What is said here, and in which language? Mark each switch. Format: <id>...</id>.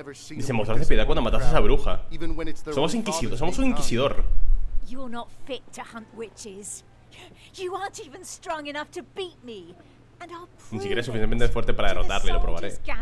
<es>Dice, mostrarse piedad cuando mataste a esa bruja. Somos inquisidores, somos un inquisidor.</es> <en>You're not fit to hunt witches. You aren't even strong enough to beat me. And I'll prove</en> <es>ni siquiera es suficientemente fuerte para derrotarle, lo probaré.</es>